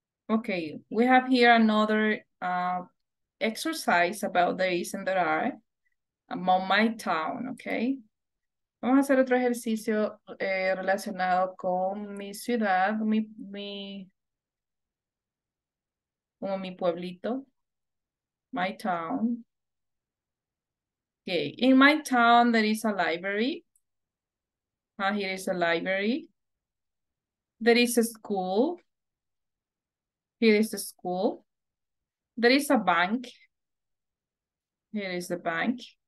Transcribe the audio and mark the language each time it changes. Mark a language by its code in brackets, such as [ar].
[en] Okay, we have here another exercise about the is and there are among my town, okay? [es] Vamos a hacer otro ejercicio relacionado con mi ciudad, como mi pueblito, [en] my town. Okay, in my town there is a library. Here is a library. There is a school. Here is the school. There is a bank. Here is the bank.